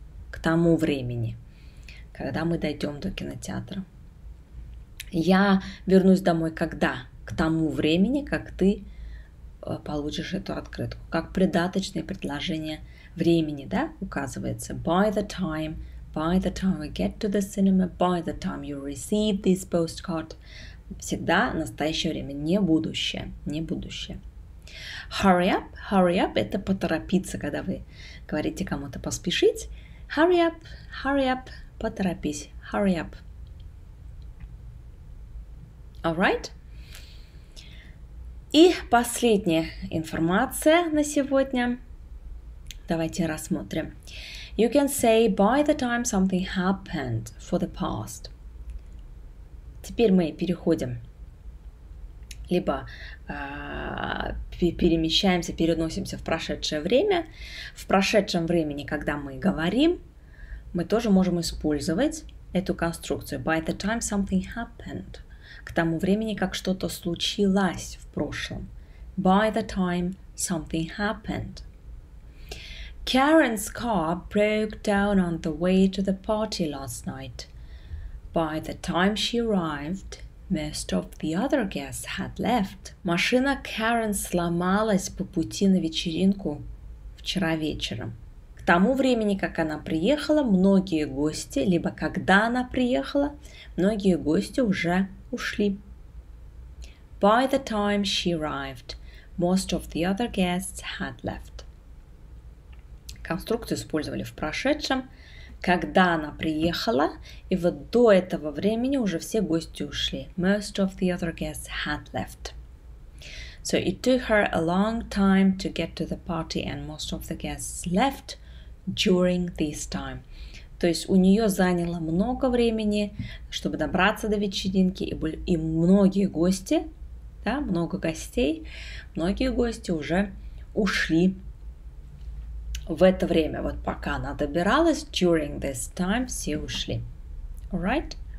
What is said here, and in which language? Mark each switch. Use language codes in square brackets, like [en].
[ru] К тому времени, когда мы дойдем до кинотеатра. Я вернусь домой когда? К тому времени, как ты получишь эту открытку. Как придаточное предложение времени, да, указывается. [en] By the time we get to the cinema, by the time you receive this postcard. [ru] Всегда настоящее время, не будущее, не будущее. [en] Hurry up, [ru] это поторопиться, когда вы говорите кому-то поспешить. [en] Hurry up, [ru] поторопись, [en] hurry up. Alright. [ru] И последняя информация на сегодня. Давайте рассмотрим. [en] You can say by the time something happened for the past. [ru] Теперь мы переходим. Либо перемещаемся, переносимся в прошедшее время. В прошедшем времени, когда мы говорим, мы тоже можем использовать эту конструкцию. [en] By the time something happened. [ru] К тому времени, как что-то случилось в прошлом. [en] By the time something happened. Karen's car broke down on the way to the party last night. By the time she arrived, most of the other guests had left. [ru] Машина Karen сломалась по пути на вечеринку вчера вечером. К тому времени, как она приехала, многие гости, либо когда она приехала, многие гости уже ушли. [en] By the time she arrived, most of the other guests had left. [ru] Конструкцию использовали в прошедшем, когда она приехала, и вот до этого времени уже все гости ушли. [en] Most of the other guests had left. So it took her a long time to get to the party, and most of the guests left during this time. [ru] То есть у нее заняло много времени, чтобы добраться до вечеринки, и многие гости, да, много гостей, многие гости уже ушли. В это время, вот пока она добиралась, [en] during this time, [ru] все ушли. [en] Alright?